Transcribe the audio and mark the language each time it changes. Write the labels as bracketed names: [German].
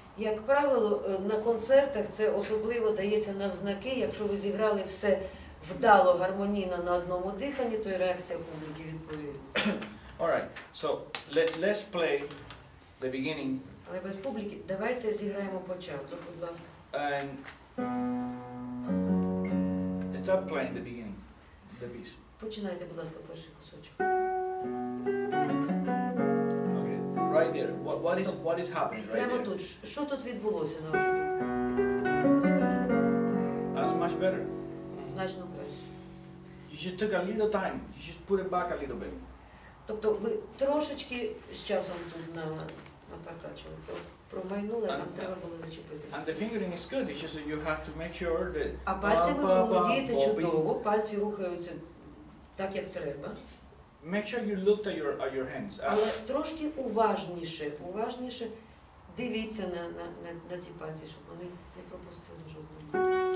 [Ukrainian] Як правило, на концертах це особливо дається на знаки, якщо ви зіграли все вдало, гармонійно на одному диханні, то й реакція публіки відповідає. [English] Alright, so let's play the beginning. [Ukrainian] Але без публіки, давайте зіграємо початок, будь ласка. [English] And start playing the beginning, the piece. [Ukrainian] Починайте, будь ласка, перший кусочок. [English] Okay, right there. What is happening right [Ukrainian] прямо [English] there? [Ukrainian] Тут. Що тут відбулося на вашому? [English] That's much better. [Ukrainian] Значно краще. [English] You just took a little time. You just put it back a little bit. [Ukrainian] Тобто ви трошечки з часом тут напартачили. Промайнули, а там треба було зачепитися. [English] And the fingering is good. It's just that you have to make sure that... [Ukrainian] А пальцями ви володієте чудово. Пальці рухаються так, як треба. [English] Make sure you looked at your hands. [Ukrainian] Але трошки уважніше дивіться на ці пальці, щоб вони не пропустили жодного.